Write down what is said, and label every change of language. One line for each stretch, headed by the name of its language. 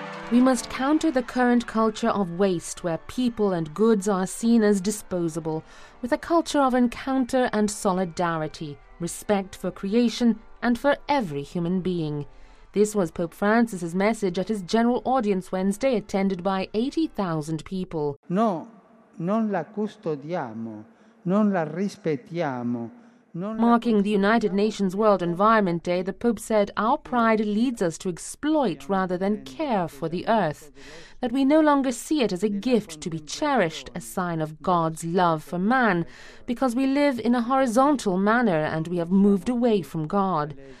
English: We must counter the current culture of waste, where people and goods are seen as disposable, with a culture of encounter and solidarity, respect for creation and for every human being. This was Pope Francis's message at his general audience Wednesday, attended by 80,000 people.
Italian: No, non la custodiamo, non la rispettiamo.
English: Marking the United Nations World Environment Day, the Pope said our pride leads us to exploit rather than care for the earth, that we no longer see it as a gift to be cherished, a sign of God's love for man, because we live in a horizontal manner and we have moved away from God.